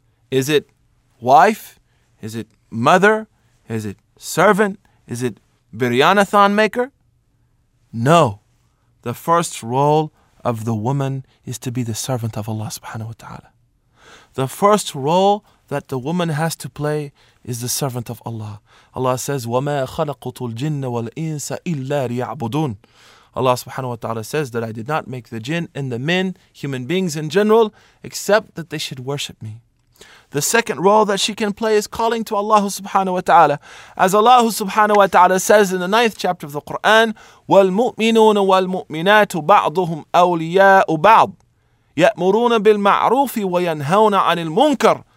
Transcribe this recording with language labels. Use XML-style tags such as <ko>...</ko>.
<en>Is it wife? Is it mother? Is it servant? Is it biryanathon maker? No. The first role of the woman is to be the servant of Allah subhanahu wa ta'ala. The first role that the woman has to play is the servant of Allah.</en> <ar>Allah says, وَمَا خَلَقُتُ الْجِنَّ وَالْإِنسَ إِلَّا لِيَعْبُدُونَ.</ar> <en>Allah subhanahu wa ta'ala says that I did not make the jinn and the men, human beings in general, except that they should worship me. The second role that she can play is calling to Allah subhanahu wa ta'ala. As Allah subhanahu wa ta'ala says in the 9th chapter of the Quran,</en> <ar>وَالْمُؤْمِنُونَ وَالْمُؤْمِنَاتُ بَعْضُهُمْ أَوْلِيَاءُ بَعْضٍ يَأْمُرُونَ بِالْمَعْرُوفِ وَيَنْهَوْنَ عَنِ الْمُنْكَرِ.</ar>